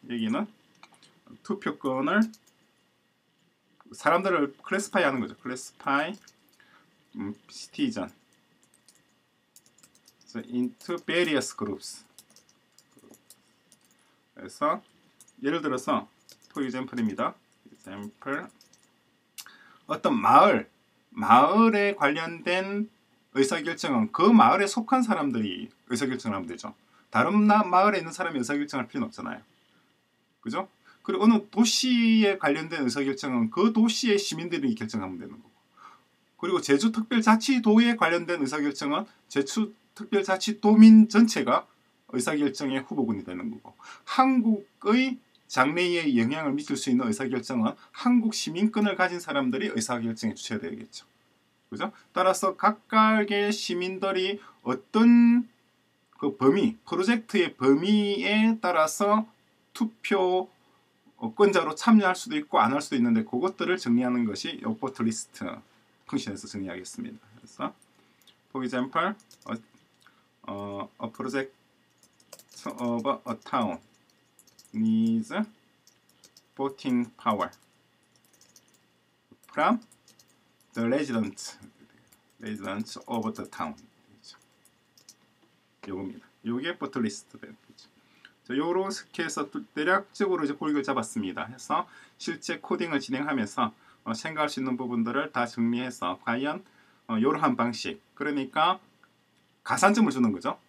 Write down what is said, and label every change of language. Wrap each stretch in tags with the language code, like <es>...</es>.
<ko>여기는 투표권을 사람들을 클래스파이 하는 거죠.</ko> <en>클래스파이 시티즌 so into various groups.</en> <ko>그래서 예를 들어서</ko> <en>for example</en> <ko>입니다. example 어떤 마을에 관련된 의사결정은 그 마을에 속한 사람들이 의사결정을 하면 되죠. 다른 마을에 있는 사람이 의사결정할 필요는 없잖아요. 그죠? 그리고 어느 도시에 관련된 의사결정은 그 도시의 시민들이 결정하면 되는 거고. 그리고 제주특별자치도에 관련된 의사결정은 제주특별자치도민 전체가 의사결정의 후보군이 되는 거고. 한국의 장래에 영향을 미칠 수 있는 의사결정은 한국 시민권을 가진 사람들이 의사결정의 주체가 되겠죠. 그죠? 따라서 각각의 시민들이 어떤 그 범위, 프로젝트의 범위에 따라서 투표권자로 참여할 수도 있고 안 할 수도 있는데 그것들을 정리하는 것이 오퍼트 리스트 펑션에서 정리하겠습니다.</ko> <en>그래서 for example, a project of a town needs voting power from the residents of the town.</en> <ko>요겁니다. 요게 버틀리스트 된 거죠. 자, 요렇게 해서 대략적으로 이제 골격을 잡았습니다. 해서 실제 코딩을 진행하면서 생각할 수 있는 부분들을 다 정리해서 과연 요러한 방식, 그러니까 가산점을 주는 거죠.</ko>